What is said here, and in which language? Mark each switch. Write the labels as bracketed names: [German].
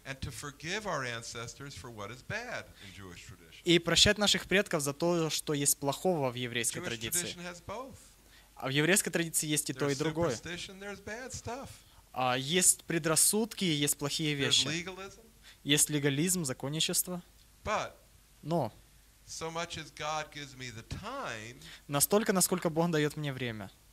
[English] and to forgive our ancestors for what is bad in Jewish tradition. [Russian] И прощать наших предков за то, что есть плохого в еврейской традиции. [English] Jewish tradition has both. [Russian] А в еврейской традиции есть и то, и другое. [English] There's bad stuff. [Russian] Есть предрассудки, есть плохие вещи. [English] There's legalism. [Russian] Есть легализм, законничество. [English] But, [Russian] но [English] so much as God gives me the time, [Russian] настолько, насколько Бог дает мне время,